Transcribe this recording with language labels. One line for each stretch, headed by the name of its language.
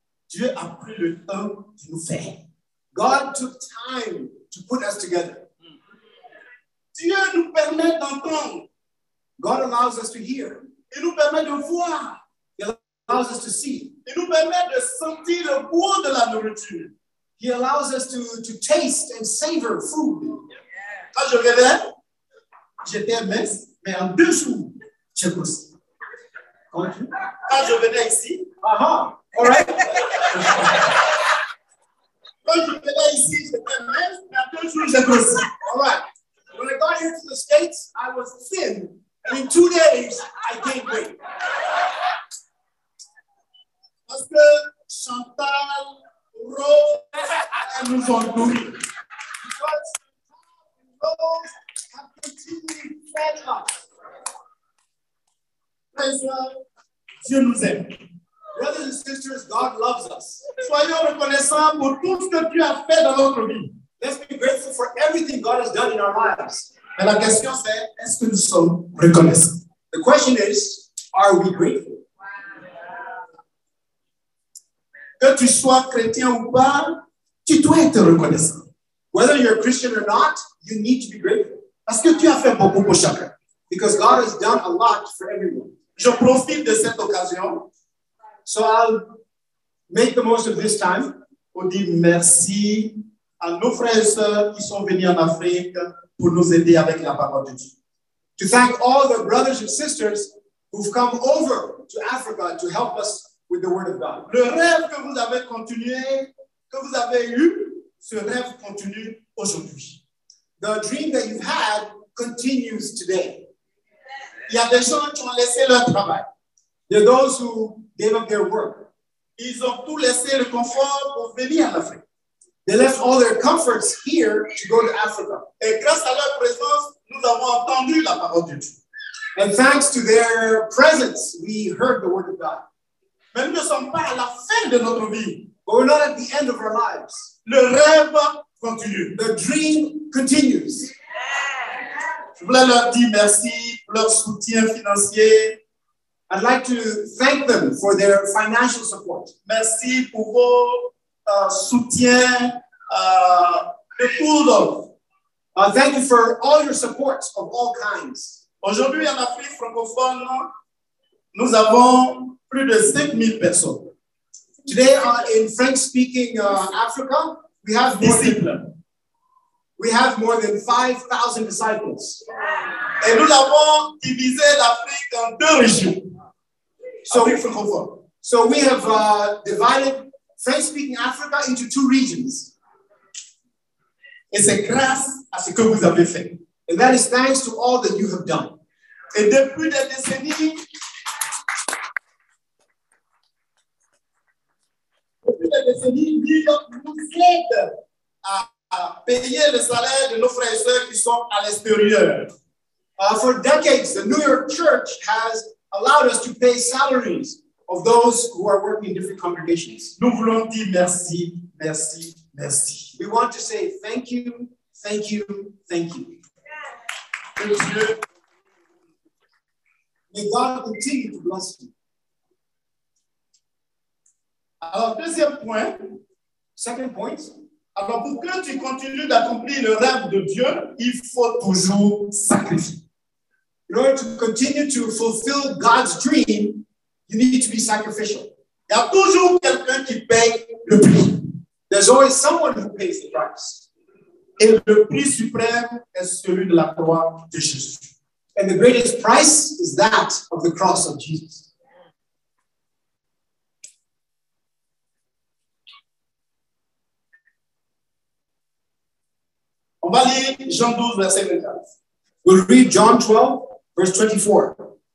French: Dieu a pris le temps de nous faire.
English: God took time to put us together.
French: Dieu nous permet d'entendre.
English: God allows us to hear.
French: Il nous permet de voir.
English: He allows us to see.
French: Il nous permet de sentir le goût de la nourriture.
English: He allows us to taste and savor food.
French: Quand je revais, j'étais mince, mais en dessous, j'ai grossi. Quand je venais ici,
English: All right.
French: Quand je venais ici, j'étais mince, mais en dessous, j'ai grossi.
English: All right. When I got here to the States, I was thin, and in 2 days, I gained weight.
French: Parce que Chantal, Rose, elles nous ont nourri.
English: Because Chantal and Rose have continually fed us.
French: Frères, Dieu nous aime.
English: Brothers and sisters, God loves us.
French: Soyons reconnaissants pour tout ce que Dieu a fait dans notre vie.
English: Let's be grateful for everything God has done in our lives.
French: Mais la question c'est, est-ce que nous sommes reconnaissants?
English: The question is, are we grateful?
French: Que tu sois chrétien ou pas, tu dois être reconnaissant.
English: Whether you're a Christian or not, you need to be grateful.
French: Parce que tu as fait beaucoup pour chacun.
English: Because God has done a lot for everyone.
French: Je profite de cette occasion.
English: So I'll make the most of this time
French: pour dire merci à nos frères et sœurs qui sont venus en Afrique pour nous aider avec la parole de Dieu.
English: To thank all the brothers and sisters who've come over to Africa to help us with the word of God.
French: Le rêve que vous avez continué, que vous avez eu, ce rêve continue aujourd'hui.
English: The dream that you've had continues today.
French: Il y a des gens qui ont laissé leur travail.
English: There are those who gave up their work.
French: Ils ont tout laissé le confort pour venir en Afrique.
English: They left all their comforts here to go to Africa.
French: Et grâce à leur présence, nous avons entendu la parole de Dieu.
English: And thanks to their presence, we heard the word of God.
French: Mais nous ne sommes pas à la fin de notre vie.
English: But we're not at the end of our lives.
French: Le rêve continue.
English: The dream continues.
French: Je voulais leur dire merci pour leur soutien financier.
English: I'd like to thank them for their financial support.
French: Merci pour vos soutien de poudre.
English: Thank you for all your support of all kinds.
French: Aujourd'hui en Afrique francophone, nous avons plus de 5,000 personnes.
English: Today in French-speaking Africa, we have more than 5,000 disciples.
French: Et nous avons divisé l'Afrique en deux régions.
English: So, Afrique francophone. So we have divided French-speaking Africa into 2 regions.
French: Et c'est grâce à ce que vous avez fait.
English: And that is thanks to all that you have done.
French: Et depuis des décennies, nous aide à payer le salaire de nos frères et sœurs qui sont à l'extérieur.
English: For decades, the New York Church has allowed us to pay salaries of those who are working in different congregations.
French: Nous voulons dire merci, merci, merci.
English: We want to say thank you, thank you, thank you. Yeah. May God continue to bless you.
French: Alors, deuxième point.
English: Second point.
French: Alors, pour que tu continues d'accomplir le rêve de Dieu, il faut toujours sacrifier.
English: In order to continue to fulfill God's dream, you need to be sacrificial.
French: Il y a toujours quelqu'un qui paye le prix.
English: There's always someone who pays the price.
French: Et le prix suprême est celui de la croix de Jésus.
English: And the greatest price is that of the cross of Jesus.
French: On va lire Jean 12, verset 24.
English: We'll read John 12, verse 24.